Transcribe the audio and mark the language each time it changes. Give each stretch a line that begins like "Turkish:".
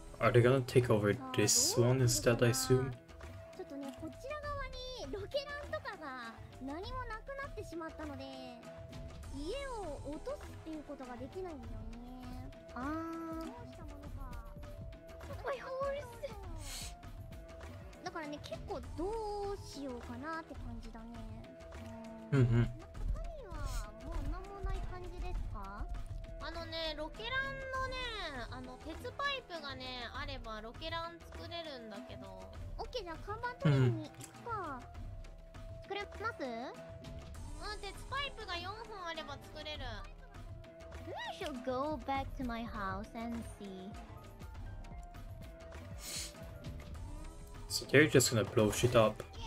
English: Are they gonna take over this one instead, I assume?
Japanese: ちょっとね、こちら側にロケランとかが何もなくなってしまったので、家を落とすっていうことができないんだよね。あー。どうしたものか。おい、だからね、結構どうしようかなって感じだね。うんうん。中身はもう何もない感じですか？あのね、ロケランのね、あの鉄パイプがね、あればロケラン作れるんだけど。オッケー、じゃあ看板取りに行くか。作れます？うん、鉄パイプが4本あれば作れる。
English: Maybe I should go back to my house and see. So they're just gonna blow shit up.